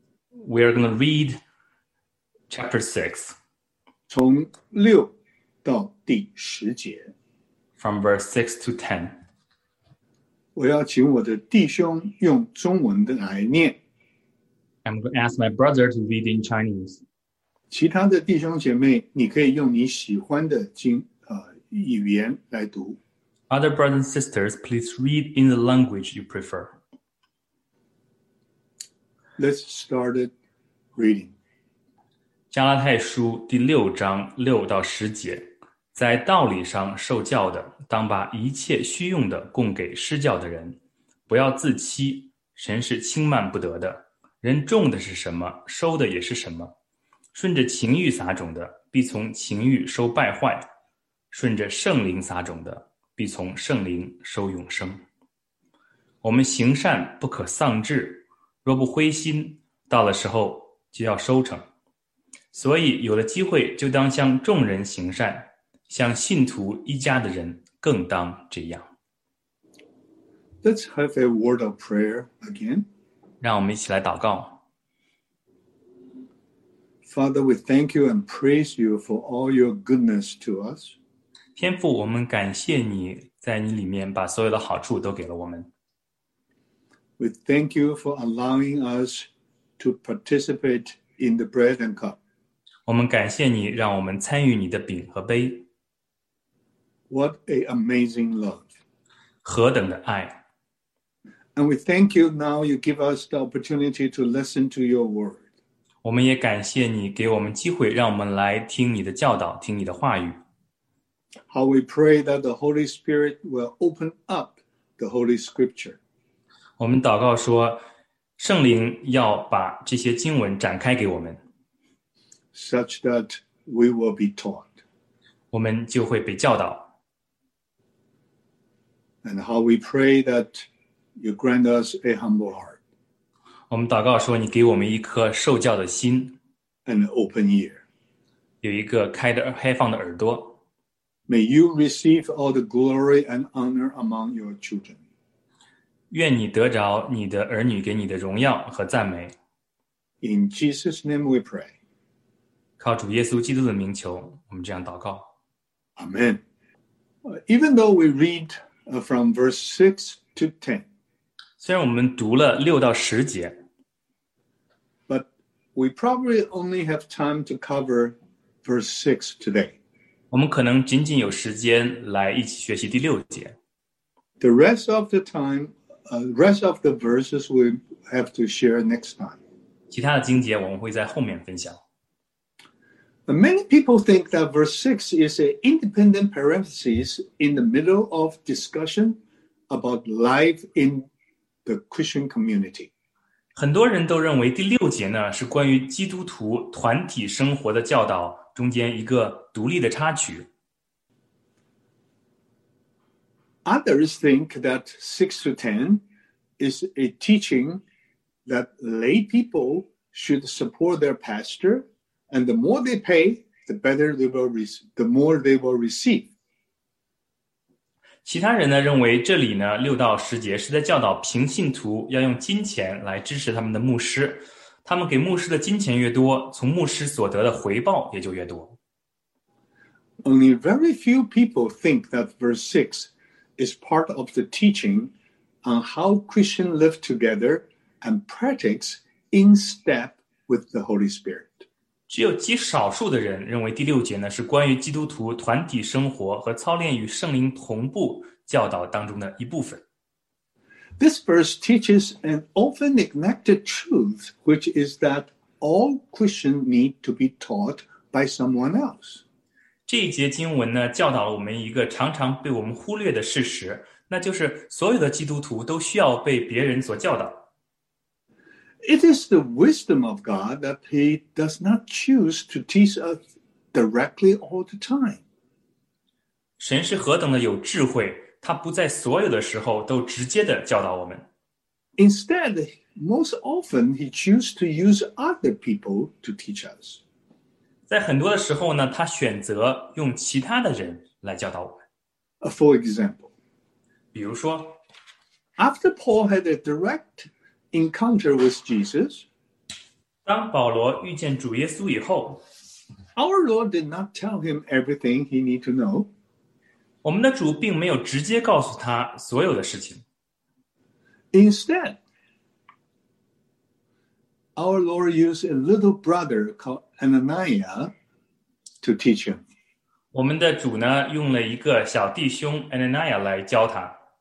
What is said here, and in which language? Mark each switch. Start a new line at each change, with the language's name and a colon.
English: We are going to read chapter 6.
Chinese: 从六到第十节。
English: From verse 6 to 10.
Chinese: 我要请我的弟兄用中文的来念。
English: I'm going to ask my brother to read in Chinese.
Chinese: 其他的弟兄姐妹，你可以用你喜欢的语言来读。
English: Other brothers and sisters, please read in the language you prefer. Let's start reading.
Chinese: 加拉太书第六章六到十节，在道理上受教的，当把一切需用的供给施教的人，不要自欺，神是轻慢不得的。人种的是什么，收的也是什么。顺着情欲撒种的，必从情欲收败坏；顺着圣灵撒种的，必从圣灵收永生。我们行善不可丧志，若不灰心，到了时候就要收成。所以有了机会，就当向众人行善，向信徒一家的人更当这样。
English: Let's have a word of prayer again.
Chinese: 让我们一起来祷告。
English: Father, we thank you and praise you for all your goodness to us.
Chinese: 天父，我们感谢你在你里面把所有的好处都给了我们。
English: We thank you for allowing us to participate in the bread and cup.
Chinese: 我们感谢你让我们参与你的饼和杯。
English: What an amazing love.
Chinese: 何等的爱。
English: And we thank you now you give us the opportunity to listen to your word.
Chinese: 我们也感谢你给我们机会让我们来听你的教导，听你的话语。
English: How we pray that the Holy Spirit will open up the Holy Scripture.
Chinese: 我们祷告说圣灵要把这些经文展开给我们。
English: Such that we will be taught.
Chinese: 我们就会被教导。
English: And how we pray thatYou grant us a humble heart.
Chinese: 我们祷告说你给我们一颗受教的心。
English: And an open ear.
Chinese: 有一个开放的耳朵。
English: May you receive all the glory and honor among your children.
Chinese: 愿你得着你的儿女给你的荣耀和赞美。
English: In Jesus' name we pray.
Chinese: 靠主耶稣基督的名求，我们这样祷告。
English: Amen. Even though we read from verse 6 to 10,
Chinese: 虽然我们读了六到十节
English: But we probably only have time to cover verse 6 today.
Chinese: 我们可能仅仅有时间来一起学习第六节
English: The rest of the time, rest of the verses we have to share next time.
Chinese: 其他的经节我们会在后面分享
English: But many people think that verse 6 is an independent parenthesis in the middle of discussion about life in the Christian community.
Chinese: 很多人都认为第六节呢是关于基督徒团体生活的教导中间一个独立的插曲。
English: Others think that 6 to 10 is a teaching that lay people should support their pastor and the more they pay, the better they will receive, the more they will receive.
Chinese: 其他人呢认为这里呢六到十节是在教导平信徒要用金钱来支持他们的牧师，他们给牧师的金钱越多，从牧师所得的回报也就越多。
English: Only very few people think that verse 6 is part of the teaching on how Christians live together and practice in step with the Holy Spirit.
Chinese: 只有极少数的人认为第六节呢是关于基督徒团体生活和操练与圣灵同步教导当中的一部分。
English: This verse teaches an often neglected truth, which is that all Christians need to be taught by someone else.
Chinese: 这一节经文呢，教导了我们一个常常被我们忽略的事实，那就是所有的基督徒都需要被别人所教导。
English: It is the wisdom of God that He does not choose to teach us directly all the time.
Chinese: 神是何等的有智慧，他不在所有的时候都直接的教导我们。
English: Instead, most often he chooses to use other people to teach us.
Chinese: 在很多的时候呢，他选择用其他的人来教导我们。
English: For example,
Chinese: 比如说
English: ，After Paul had a direct encounter with Jesus,
Chinese: 当保罗遇见主耶稣以后
English: ，Our Lord did not tell him everything he need to know.
Chinese: 我们的主并没有直接告诉他所有的事情。
English: Instead, our Lord used a little brother called Ananias to teach him.
Chinese: 我们的主呢，用了一个小弟兄 Ananias 来教他。